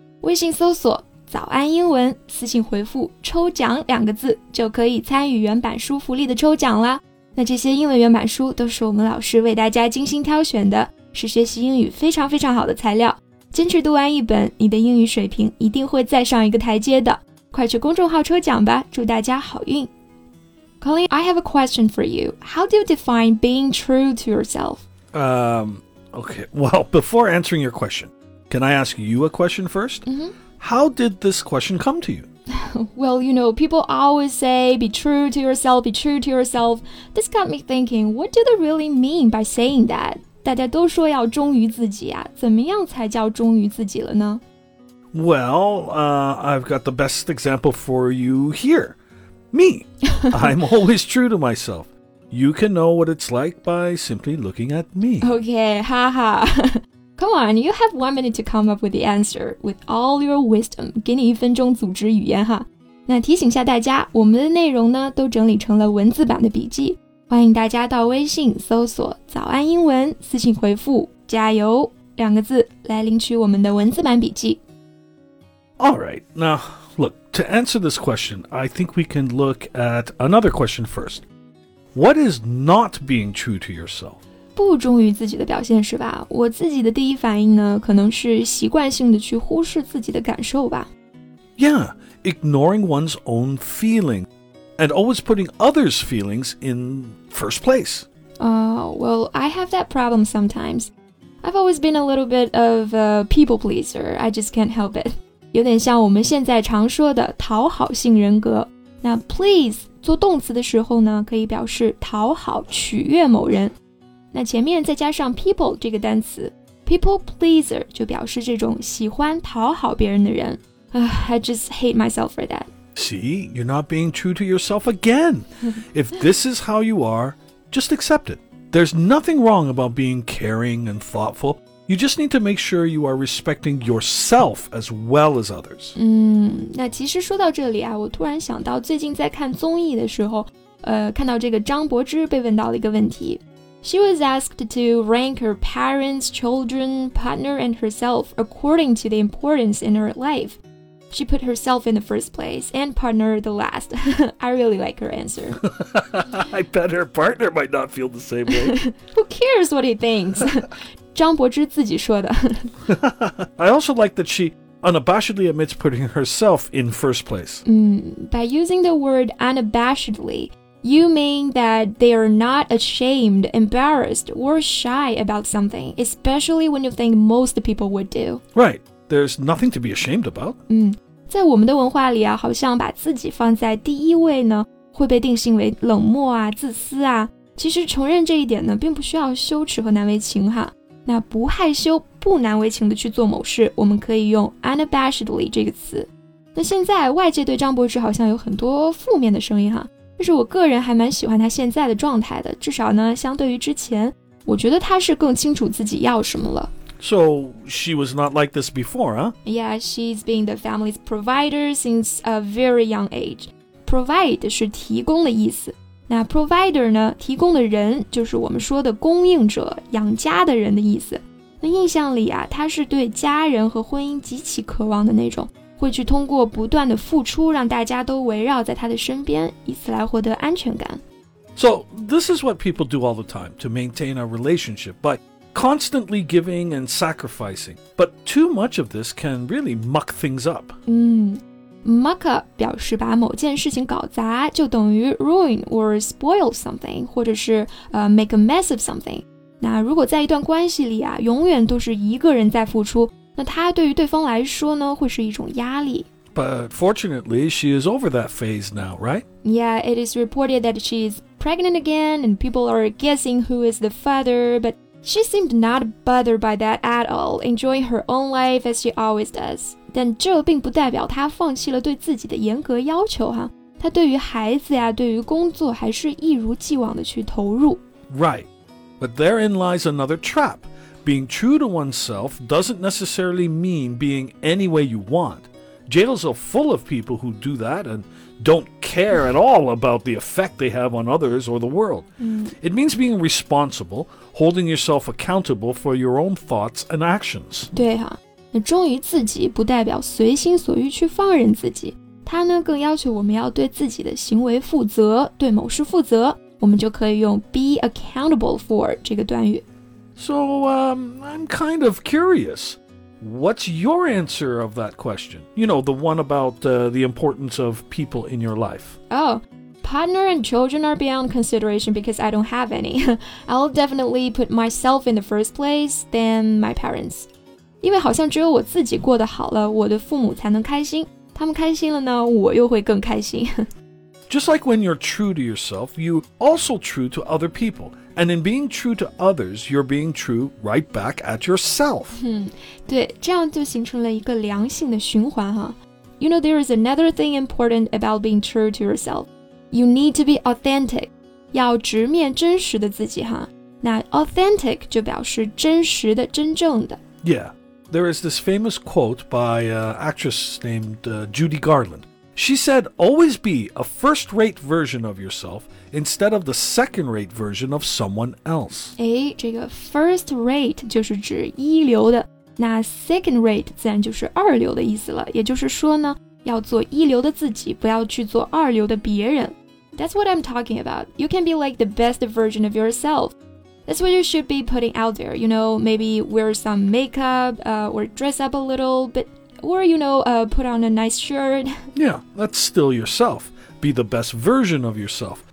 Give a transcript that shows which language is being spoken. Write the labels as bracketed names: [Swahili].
[Chinese] 微信搜索早安英文，私信回复抽奖两个字，就可以参与原版书福利的抽奖啦。那这些英文原版书都是我们老师为大家精心挑选的，是学习英语非常非常好的材料。坚持读完一本，你的英语水平一定会再上一个台阶的。快去公众号抽奖吧，祝大家好运。 [English] Colin, I have a question for you. How do you define being true to yourself? Okay, well, before answering your question, can I ask you a question first? Mm-hmm. How did this question come to you? Well, you know, people always say, be true to yourself, be true to yourself. This got me thinking, what do they really mean by saying that? [Chinese] 大家都说要忠于自己啊，怎么样才叫忠于自己了呢？ [English] Well, I've got the best example for you here. Me. I'm always true to myself. You can know what it's like by simply looking at me. Okay, haha. Come on, you have 1 minute to come up with the answer. With all your wisdom, [Chinese] 给你一分钟组织语言哈。那提醒下大家，我们的内容呢，都整理成了文字版的笔记。欢迎大家到微信搜索早安英文，私信回复加油两个字来领取我们的文字版笔记。 [English] All right, now, look, to answer this question, I think we can look at another question first. What is not being true to yourself? [Chinese] 不忠于自己的表现是吧？我自己的第一反应呢，可能是习惯性的去忽视自己的感受吧。 [English] Yeah, ignoring one's own feelings. And always putting others' feelings in first place. Well, I have that problem sometimes. I've always been a little bit of a people pleaser. I just can't help it. [Chinese] 有点像我们现在常说的讨好性人格。那 please 做动词的时候呢，可以表示讨好、取悦某人。那前面再加上 people 这个单词， people pleaser 就表示这种喜欢讨好别人的人。 [English] I just hate myself for that. See, you're not being true to yourself again. If this is how you are, just accept it. There's nothing wrong about being caring and thoughtful. You just need to make sure you are respecting yourself as well as others. [Chinese] 那其实说到这里啊，我突然想到最近在看综艺的时候，看到这个张柏芝被问到了一个问题。 [English] She was asked to rank her parents, children, partner, and herself according to the importance in her life. She put herself in the first place and partner the last. I really like her answer. I bet her partner might not feel the same way. Who cares what he thinks? [Chinese] 张柏芝自己说的。 [English] I also like that she unabashedly admits putting herself in first place. By using the word unabashedly, you mean that they are not ashamed, embarrassed, or shy about something, especially when you think most people would do. Right. There's nothing to be ashamed about. [Chinese] 在我们的文化里啊，好像把自己放在第一位呢，会被定性为冷漠啊、自私啊。其实承认这一点呢，并不需要羞耻和难为情哈。那不害羞、不难为情的去做某事，我们可以用 unabashedly 这个词。那现在外界对张柏芝好像有很多负面的声音哈，但是我个人还蛮喜欢她现在的状态的，至少呢，相对于之前，我觉得她是更清楚自己要什么了。 [English] So, she was not like this before, huh? Yeah, she's been the family's provider since a very young age. [Chinese] Provide 是提供的意思。那 provider 呢，提供的人就是我们说的供应者，养家的人的意思。那印象里啊，她是对家人和婚姻极其渴望的那种，会去通过不断的付出，让大家都围绕在她的身边，以此来获得安全感。 [English] So, this is what people do all the time to maintain a relationship, but... Constantly giving and sacrificing. But too much of this can really muck things up. Muck up [Chinese] 表示把某件事情搞砸就等于 [English] ruin or spoil something, [Chinese] 或者是 [English] make a mess of something. [Chinese] 那如果在一段关系里啊，永远都是一个人在付出，那他对于对方来说呢，会是一种压力。 [English] But fortunately, she is over that phase now, right? Yeah, it is reported that she is pregnant again and people are guessing who is the father, butShe seemed not bothered by that at all, enjoying her own life as she always does. [Chinese] 但这并不代表她放弃了对自己的严格要求哈。她对于孩子呀，对于工作还是一如既往的去投入。 [English] Right. But therein lies another trap. Being true to oneself doesn't necessarily mean being any way you want. Jails are full of people who do that and don't care at all about the effect they have on others or the world. It means being responsible, holding yourself accountable for your own thoughts and actions. [Chinese] 对哈，那忠于自己不代表随心所欲去放任自己，它呢更要求我们要对自己的行为负责，对某事负责，我们就可以用 be accountable for 这个短语。 [English] So, I'm kind of curious. What's your answer of that question? You know, the one about the importance of people in your life. Oh, partner and children are beyond consideration because I don't have any. I'll definitely put myself in the first place, then my parents. [Chinese] 因为好像只有我自己过得好了，我的父母才能开心。他们开心了呢，我又会更开心。 [English] Just like when you're true to yourself, you're also true to other people. And in being true to others, you're being true right back at yourself. [Chinese] 对，这样就形成了一个良性的循环哈。 [English] You know, there is another thing important about being true to yourself. You need to be authentic. [Chinese] 要直面真实的自己哈。那 authentic 就表示真实的、真正的。 [English] Yeah, there is this famous quote by an actress named Judy Garland. She said, always be a first-rate version of yourself instead of the second-rate version of someone else. [Chinese] 诶，这个 first-rate 就是指一流的，那 second-rate 自然就是二流的意思了。也就是说呢，要做一流的自己，不要去做二流的别人。 [English] That's what I'm talking about. You can be like the best version of yourself. That's what you should be putting out there. You know, maybe wear some makeup, or dress up a little bit. Or, you know, put on a nice shirt. Yeah, that's still yourself. Be the best version of yourself.